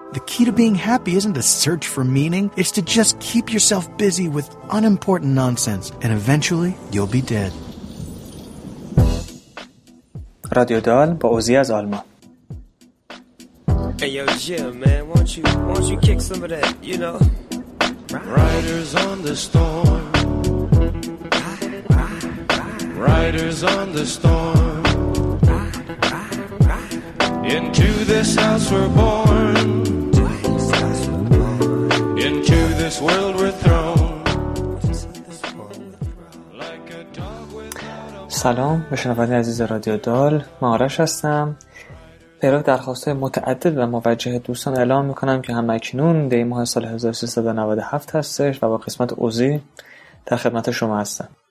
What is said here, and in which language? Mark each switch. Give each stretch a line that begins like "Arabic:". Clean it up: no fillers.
English: The key to being happy isn't to search for meaning. It's to just keep yourself busy with unimportant nonsense, and eventually, you'll be dead.
Persian: رادیو دال با اوزی از آلمان.
English: Hey yo, Jim, man, won't you kick some of that, you know? Riders on the storm. Riders on the storm. Into this house we're born. Into this world we're thrown.
Persian: سلام به شنوندگان عزیز رادیو دال، من آرش هستم. برای درخواست های متعدد و موجه دوستان اعلام میکنم که هم اکنون دی ماه سال 1397 هستش و با قسمت اوزی در خدمت شما هستم.